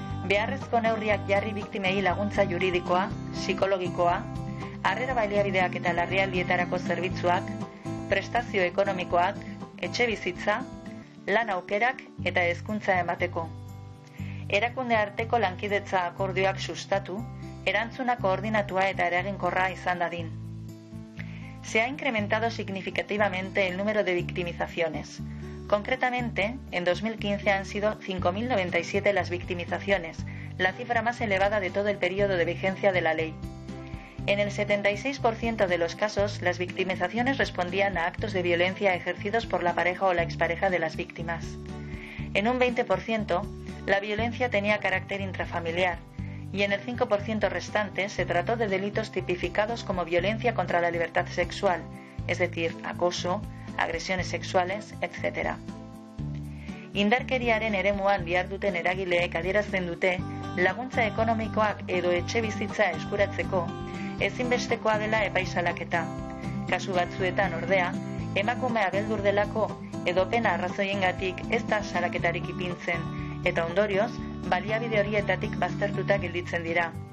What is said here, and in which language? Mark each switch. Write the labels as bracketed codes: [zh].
[eu] Beharrezko neurriak jarri biktimei laguntza juridikoa, psikologikoa, harrera baliabideak eta larrialdietarako zerbitzuak, prestazio ekonomikoak, etxe bizitza, lan aukerak eta hezkuntza emateko. Erakunde arteko lankidetza akordioak sustatu, erantzuna koordinatua eta eraginkorra izan dadin. [es] Se ha incrementado significativamente el número de victimizaciones. Concretamente, en 2015 han sido 5.097 las victimizaciones, la cifra más elevada de todo el periodo de vigencia de la ley. En el 76% de los casos, las victimizaciones respondían a actos de violencia ejercidos por la pareja o la expareja de las víctimas. En un 20%, la violencia tenía carácter intrafamiliar, y en el 5% restante se trató de delitos tipificados como violencia contra la libertad sexual, es decir, acoso, agresiones sexuales, etc. [eu] Indarkeriaren eremuan diharduten eragileek adierazten dute, laguntza ekonomikoak edo etxe bizitza eskuratzeko, ezinbestekoa dela epaisalaketa. Kasu batzuetan ordea, emakumea beldur delako edo pena arrazoiengatik ez da salaketarik ipintzen, eta ondorioz, baliabide horietatik baztertuta gelditzen dira.